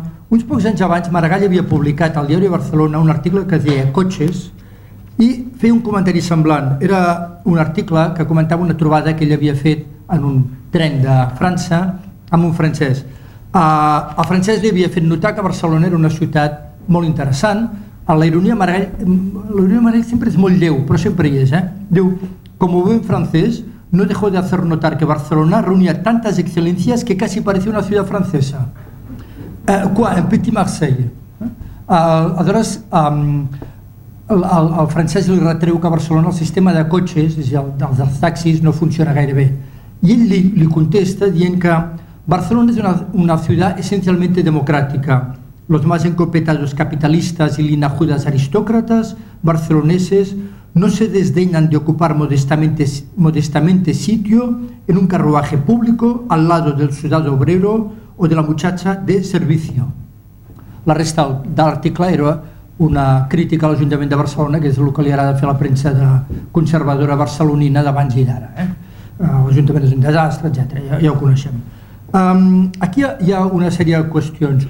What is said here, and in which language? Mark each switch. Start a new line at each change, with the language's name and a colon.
Catalan: Uns pocs anys abans, Maragall havia publicat al Diari de Barcelona un article que deia Cotxes i feia un comentari semblant. Era un article que comentava una trobada que ell havia fet en un tren de França amb un francès. El francès li havia fet notar que Barcelona era una ciutat molt interessant. La ironia Maragall sempre és molt lleu, però sempre hi és. Diu, com ho veu en francès,
Spanish: no dejó de hacer notar que Barcelona reunía tantas excelencias que casi parecía una ciudad francesa.
French: En Petit Marseille.
Catalan: Aleshores, el francès li retreu que a Barcelona el sistema de cotxes, és a dir, el dels taxis, no funciona gaire bé. I ell li contesta dient que Barcelona és una ciutat essencialment democràtica.
Spanish: Los más encopetados capitalistas y linajudas aristócratas barceloneses no se desdeñan de ocupar modestamente sitio en un carruaje público al lado del ciudadano obrero o de la muchacha de servicio.
Catalan: La resta de l'article era una crítica a l'Ajuntament de Barcelona, que és el que li agrada fer la premsa de conservadora barcelonina d'abans i d'ara. L'Ajuntament és un desastre, etc. Ja ho coneixem. Aquí hi ha una sèrie de qüestions.